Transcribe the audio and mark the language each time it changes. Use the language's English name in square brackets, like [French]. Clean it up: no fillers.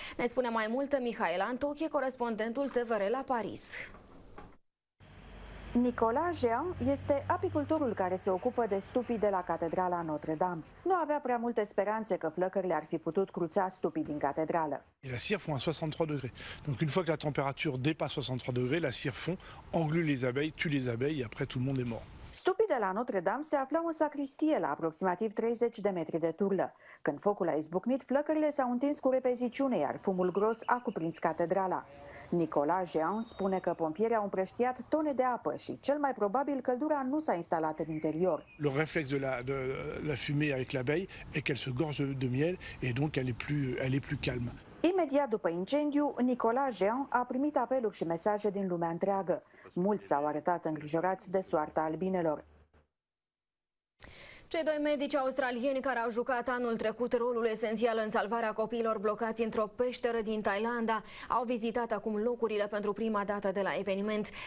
[Romanian] Ne spune mai multe Mihaela Antoche, corespondentul TVR la Paris. Nicola Jean este apicultorul care se ocupă de stupii de la Catedrala Notre-Dame. Nu avea prea multe speranțe că flăcările ar fi putut cruța stupii din catedrală. [French] La cire fond à 63 degrés. Donc une fois que la température dépasse 63 degrés, la cire fond englue les abeilles, tue les abeilles et après tout le monde est mort. [Romanian] Stupii de la Notre-Dame se aflau în sacristie la aproximativ 30 de metri de turlă. Când focul a izbucnit, flăcările s-au întins cu repeziciune, iar fumul gros a cuprins catedrala. Nicola Jean spune că pompierii au împrăștiat tone de apă și cel mai probabil căldura nu s-a instalat în interior. [French] Le reflex de la fumée avec l'abeille est qu'elle se gorge de miel et donc elle est plus calme. [Romanian] Imediat după incendiu, Nicola Jean a primit apeluri și mesaje din lumea întreagă. Mulți s-au arătat îngrijorați de soarta albinelor. Cei doi medici australieni care au jucat anul trecut rolul esențial în salvarea copiilor blocați într-o peșteră din Thailanda au vizitat acum locurile pentru prima dată de la eveniment.